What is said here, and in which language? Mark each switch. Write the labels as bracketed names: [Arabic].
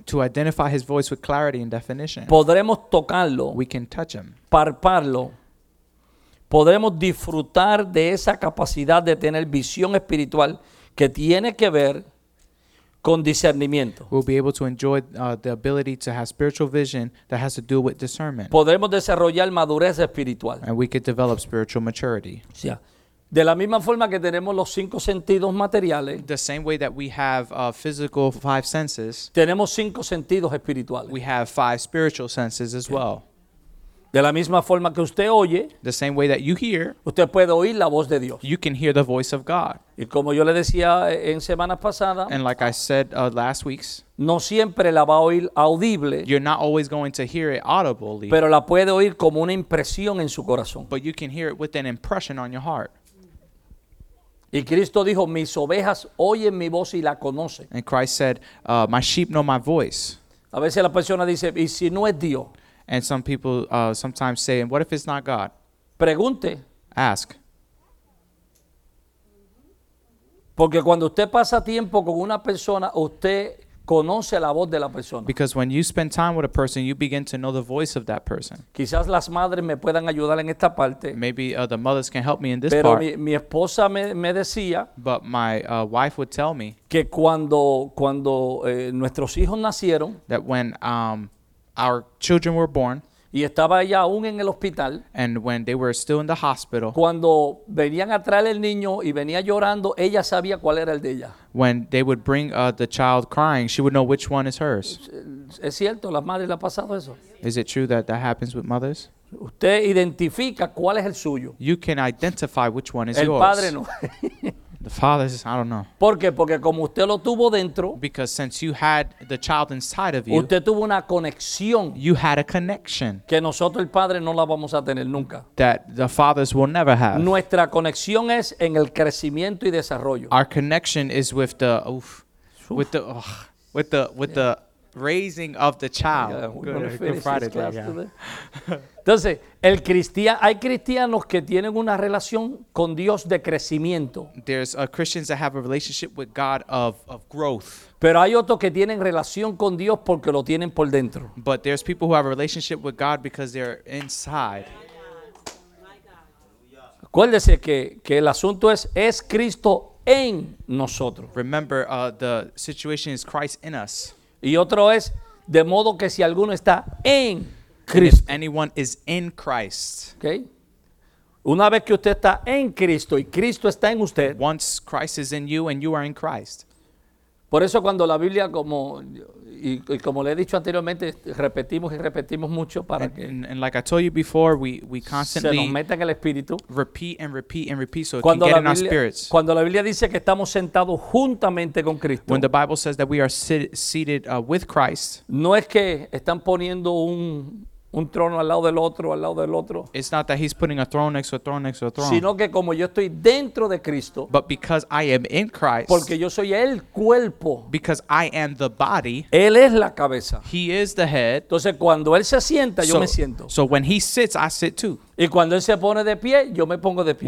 [English] To identify his voice with clarity and definition. [Spanish] Podremos tocarlo. [English] We can touch him. [Spanish] Palparlo. Podremos disfrutar de esa capacidad de tener visión espiritual que tiene que ver con discernimiento. [English] We'll be able to enjoy the ability to have spiritual vision that has to do with discernment. [Spanish] Podremos desarrollar madurez espiritual. [English] And we could develop spiritual maturity. Yeah. [Spanish] De la misma forma que tenemos los cinco sentidos materiales, [English] the same way that we have physical 5 senses, [Spanish] tenemos cinco sentidos espirituales. [English] We have 5 spiritual senses as well. [Spanish] De la misma forma que usted oye, [English] the same way that you hear, [Spanish] usted puede oír la voz de Dios. [English] You can hear the voice of God. [Spanish] Y como yo le decía en semanas pasadas, [English] and like I said last week's, [Spanish] no siempre la va a oír audible. [English] You're not always going to hear it audibly. [Spanish] Pero la puede oír como una impresión en su corazón. [English] But you can hear it with an impression on your heart. [Spanish] Y Cristo dijo, mis ovejas oyen mi voz y la conocen. [English] And Christ said, my sheep know my voice. [Spanish] A veces la persona dice, ¿y si no es Dios? [English] And some people sometimes say, and what if it's not God? [Spanish] Pregunte. [English] Ask. [Spanish] Porque cuando usted pasa tiempo con una persona, usted conoce la voz de la persona. [English] Because when you spend time with a person, you begin to know the voice of that person. [Spanish] Quizás las madres me puedan ayudar en esta parte. [English] Maybe the mothers can help me in this [Spanish] pero [English] part. [Spanish] Pero mi esposa me decía. [English] But my wife would tell me. [Spanish] Que cuando nuestros hijos nacieron. [English] That when our children were born. [Spanish] Y estaba ella aún en el hospital. [English] And when they were still in the hospital. [Spanish] Cuando venían a traer el niño y venía llorando, ella sabía cuál era el de ella. [English] When they would bring the child crying, she would know which one is hers. [Spanish] ¿Es cierto? ¿Las madres le ha pasado eso? [English] Is it true that happens with mothers? [Spanish] Usted identifica cuál es el suyo. [English] You can identify which one is [Spanish] el [English] yours. [Spanish] El padre no. [English] The father says, I don't know. [Spanish] ¿Por qué? Porque como usted lo tuvo dentro. [English] Because since you had the child inside of you. [Spanish] Usted tuvo una conexión. [English] You had a connection. [Spanish] Que nosotros el padre no la vamos a tener nunca. [English] That the fathers will never have. [Spanish] Nuestra conexión es en el crecimiento y desarrollo. [English] Our connection is with the, oof, with the, oh, with the, with yeah. the, raising of the child. [Spanish] Entonces, el cristiano, hay cristianos que tienen una relación con Dios de crecimiento. [English] There's Christians that have a relationship with God of growth. [Spanish] Pero hay otros que tienen relación con Dios porque lo tienen por dentro. [English] But there's people who have a relationship with God because they're inside. [Spanish] Acuérdese que el asunto es Cristo en nosotros. [English] Remember, the situation is Christ in us. [Spanish] Y otro es, de modo que si alguno está en Cristo. [English] If anyone is in Christ. Okay. [Spanish] Una vez que usted está en Cristo y Cristo está en usted. [English] Once Christ is in you and you are in Christ. [Spanish] Por eso cuando la Biblia, como y como le he dicho anteriormente, repetimos y repetimos mucho para [English] and, [Spanish] que [English] and like I told you before, we constantly repeat so it [Spanish] cuando [English] can get in our spirits. [Spanish] Cuando la Biblia dice que estamos sentados juntamente con Cristo. [English] When the Bible says that we are seated with Christ. [Spanish] No es que están poniendo un trono al lado del otro, al lado del otro. [English] It's not that he's putting a throne next to a throne next to a throne. [Spanish] Sino que como yo estoy dentro de Cristo. [English] But because I am in Christ. [Spanish] Porque yo soy el cuerpo. [English] Because I am the body. [Spanish] Él es la cabeza. [English] He is the head. [Spanish] Entonces cuando él se sienta, yo me siento. [English] So when he sits, I sit too. [Spanish] Y cuando él se pone de pie, yo me pongo de pie.